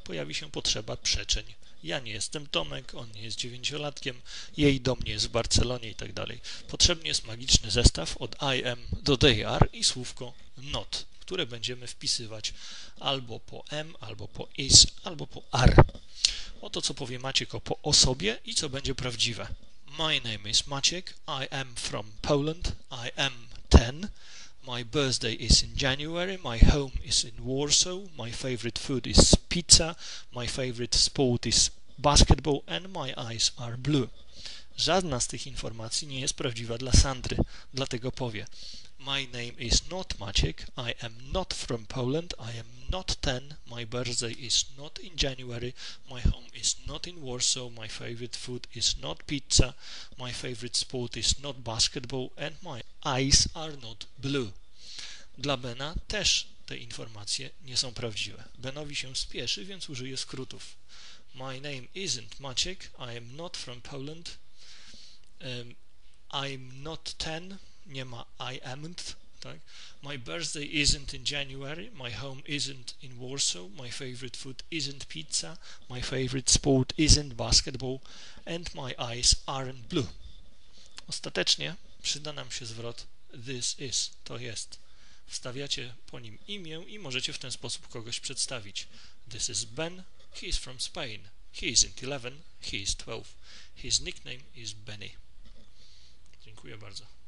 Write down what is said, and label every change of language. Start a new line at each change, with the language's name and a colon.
Polish: Pojawi się potrzeba przeczeń. Ja nie jestem Tomek, on nie jest dziewięciolatkiem, jej dom nie jest w Barcelonie i tak dalej. Potrzebny jest magiczny zestaw od I am do they are i słówko not, które będziemy wpisywać albo po am, albo po is, albo po are. Oto co powie Maciek o sobie i co będzie prawdziwe.
English: My name is Maciek, I am from Poland, I am 10, my birthday is in January, my home is in Warsaw, my favorite food is pizza, my favorite sport is basketball and my eyes are blue.
Polish: Żadna z tych informacji nie jest prawdziwa dla Sandry, dlatego powie:
English: My name is not Maciek, I am not from Poland, I am not 10, my birthday is not in January, my home is not in Warsaw, my favorite food is not pizza, my favorite sport is not basketball and my eyes are not blue.
Polish: Dla Bena też te informacje nie są prawdziwe. Benowi się spieszy, więc użyje skrótów.
English: My name isn't Maciek, I am not from Poland, I'm not 10,
Polish: nie ma
English: I amn't,
Polish: tak?
English: My birthday isn't in January, my home isn't in Warsaw, my favorite food isn't pizza, my favorite sport isn't basketball, and my eyes aren't blue.
Polish: Ostatecznie przyda nam się zwrot this is, to jest. Wstawiacie po nim imię i możecie w ten sposób kogoś przedstawić.
English: This is Ben, he is from Spain, he isn't 11, he is 12. His nickname is Benny.
Polish: Dziękuję bardzo.